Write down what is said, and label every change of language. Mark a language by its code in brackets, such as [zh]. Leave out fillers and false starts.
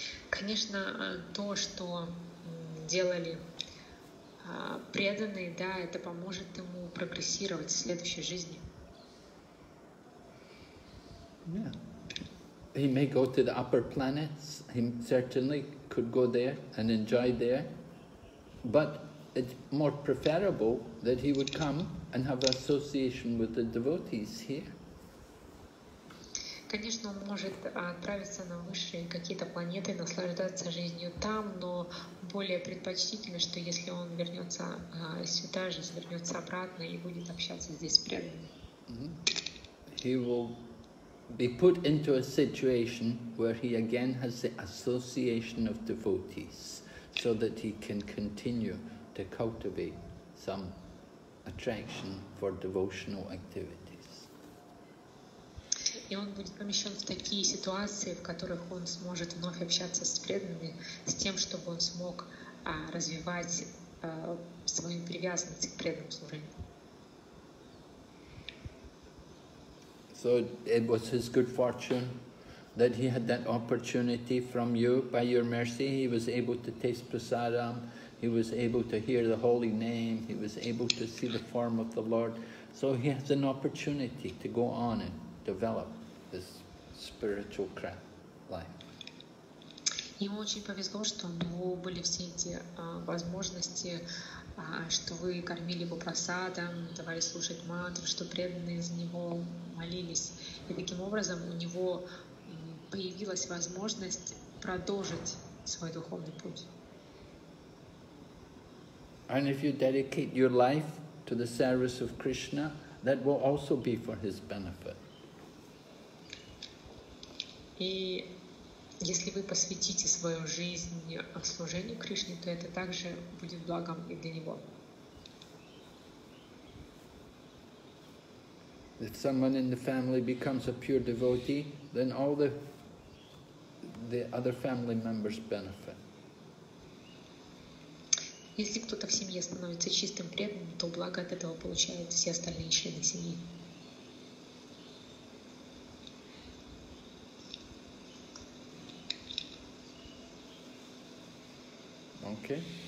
[ru] Конечно, то, что делали преданные, да, это поможет ему прогрессировать в следующей жизни. [en] He may go to the upper planets, he certainly could go there and enjoy there, but it's more preferable that he would come and have association with the devotees here. [ru] Конечно, он может отправиться на высшие какие-то планеты, наслаждаться жизнью там, но более предпочтительно, что если он вернется сюда же, вернется обратно и будет общаться здесь с преданными. [en] He will be put into a situation where he again has the association of devotees, so that he can continue to cultivate some attraction for devotional activities. [ru] И он будет помещен в такие ситуации, в которых он сможет вновь общаться с преданными, с тем, чтобы он смог развивать свою привязанность к преданному служению. [en] So it was his good fortune that he had that opportunity from you, by your mercy, he was able to taste prasadam, he was able to hear the holy name, he was able to see the form of the Lord. So he has an opportunity to go on and develop his spiritual craft life. [ru] Ему очень повезло, что у него были все эти возможности, что вы кормили его просадом, давали слушать мантру, что преданные за него молились. И таким образом у него появилась возможность продолжить свой духовный путь. [en] And if you dedicate your life to the service of Krishna, that will also be for his benefit. [ru] И если вы посвятите свою жизнь служению Кришне, то это также будет благом и для него. [en] If someone in the family becomes a pure devotee, then all the other family members benefit. [ru] Если кто-то в семье становится чистым преданным, то благо от этого получают все остальные члены семьи. [en] Okay.